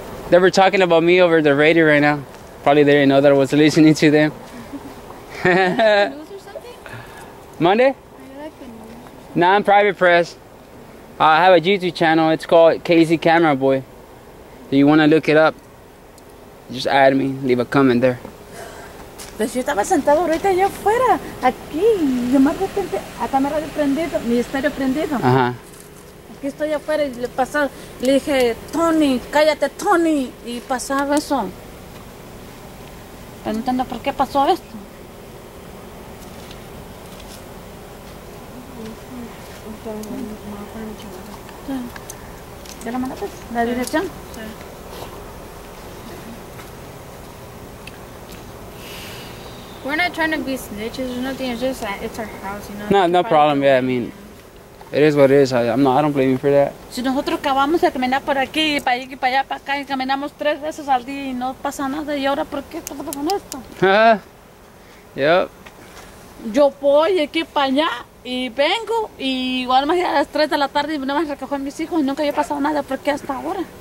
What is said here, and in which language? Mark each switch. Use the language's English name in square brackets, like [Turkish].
[English] They were talking about me over the radio right now. Probably they didn't know that I was listening to them. Monday? Nah, I'm private press. I have a YouTube channel. It's called KZ Camera Boy. Do you want to look it up? Just add me. Leave a comment there. [Spanish] Pues yo estaba sentado ahorita allá afuera, aquí, y de más repente, a cámara de prendido, mi estéreo prendido. Ajá. Aquí estoy afuera y le pasó, le dije, Tony, cállate, Tony, y pasaba eso. Preguntando por qué pasó esto. ¿Ya la mandaste? ¿La dirección? Sí. [English] We're not trying to be snitches or nothing, it's just that it's our house, you know? No, no problem, yeah, I mean, it is what it is, I don't blame you for that. [Spanish] Si nosotros acabamos de caminar por aquí, para allí, para allá, para acá, y caminamos tres veces al día y no pasa nada, y ahora, ¿por qué estamos con esto? [English] Yep. [Spanish] Yo voy aquí para allá, y vengo, y igual más a las 3 de la tarde, y no me recojo a mis hijos, y nunca había pasado nada, ¿por qué hasta ahora?